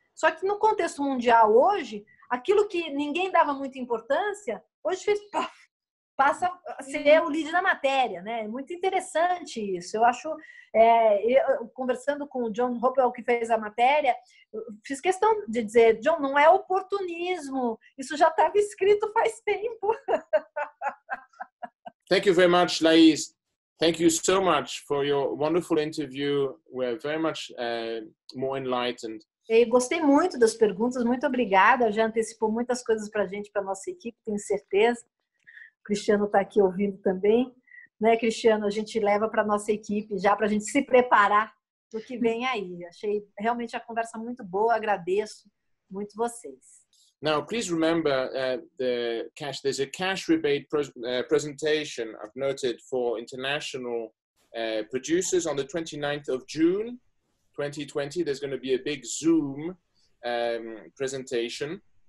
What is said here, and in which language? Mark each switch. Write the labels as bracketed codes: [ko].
[pt] Só que no contexto mundial hoje, aquilo que ninguém dava muita importância, hoje passa a ser o lead da matéria, né? É muito interessante isso. Eu acho, conversando com o John Hopewell, que fez a matéria, fiz questão de dizer, John, não é oportunismo, isso já estava escrito faz tempo. [en] Thank you very much, Laís. Thank you so much for your wonderful interview. We're very much more enlightened. [pt] Eu gostei muito das perguntas, muito obrigada. Já antecipou muitas coisas para a gente, para a nossa equipe, tenho certeza. O Cristiano está aqui ouvindo também. Né, Cristiano, a gente leva para a nossa equipe já para a gente se preparar para o que vem aí. Achei realmente a conversa muito boa, agradeço muito vocês. [en] Now, please remember the cash. There's a cash rebate presentation I've noted for international producers on the 29th of June 2020. There's going to be a big Zoom presentation.